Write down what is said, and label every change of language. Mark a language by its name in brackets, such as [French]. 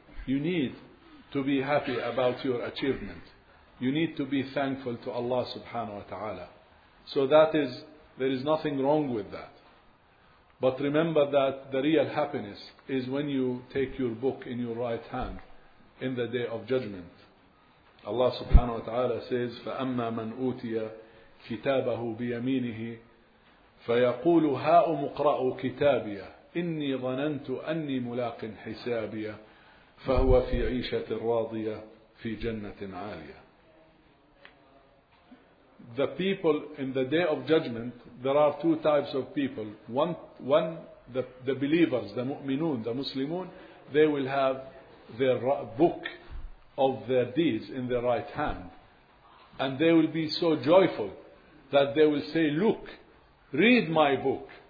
[English] You need to be happy about your achievement. You need to be thankful to Allah subhanahu wa ta'ala. So there is nothing wrong with that. But remember that the real happiness is when you take your book in your right hand in the Day of Judgment. [Arabic] Allah subhanahu wa ta'ala says, فَأَمَّا مَنْ أُوْتِيَ كِتَابَهُ بِيَمِينِهِ فَيَقُولُ هَا أُمُقْرَأُ كِتَابِيَ إِنِّي ظَنَنْتُ أَنِّي مُلَاقٍ حِسَابِيَ فَهُوَ فِي عِيشَةٍ رَاضِيَ فِي جَنَّةٍ عَالِيَةٍ. [English] The people in the Day of Judgment, there are two types of people. One, the believers, the mu'minun, the muslimun, they will have their book of their deeds in their right hand. And they will be so joyful that they will say, look, read my book.